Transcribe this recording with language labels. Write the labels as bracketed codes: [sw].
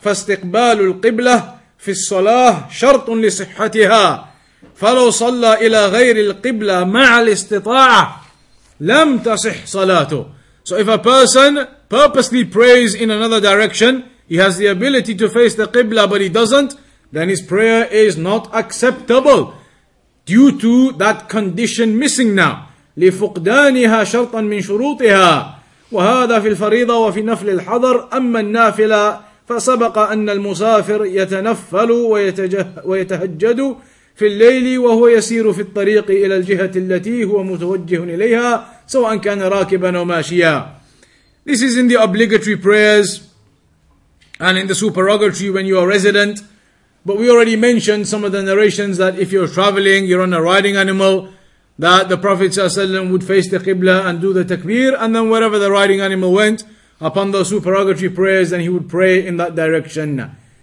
[ar] فَاسْتِقْبَالُ الْقِبْلَةِ فِي الصَّلَاةِ شَرْطٌ لِصِحَّتِهَا فَلَوْ صَلَّى إِلَى غَيْرِ الْقِبْلَى مَعَ الْإِسْتِطَاعَةِ لَمْ تَصِحْ صَلَاتُ. [en] So if a person purposely prays in another direction, he has the ability to face the Qibla but he doesn't, then his prayer is not acceptable due to that condition missing now. [ar] لِفُقْدَانِهَا شَرْطًا مِنْ شُرُوطِهَا وَهَذَا فِي الْفَرِيضَةِ وَفِي نَفْلِ الْحَضَرِ أَمَّا النَّافِلَ فَسَبَقَ أَنَّ الْمُسَافِرَ يَتَنَفَّلُ وَيَتَهَجَّدُ في الليل وهو يسير في الطريق إلى الجهة التي هو متوجه إليها سواء كان راكبا أو ماشيا. [en] This is in the obligatory prayers and in the supererogatory when you are resident. But we already mentioned some of the narrations that if you're traveling, you're on a riding animal, that the Prophet ﷺ would face the Qibla and do the takbir, and then wherever the riding animal went, upon the supererogatory prayers, then he would pray in that direction.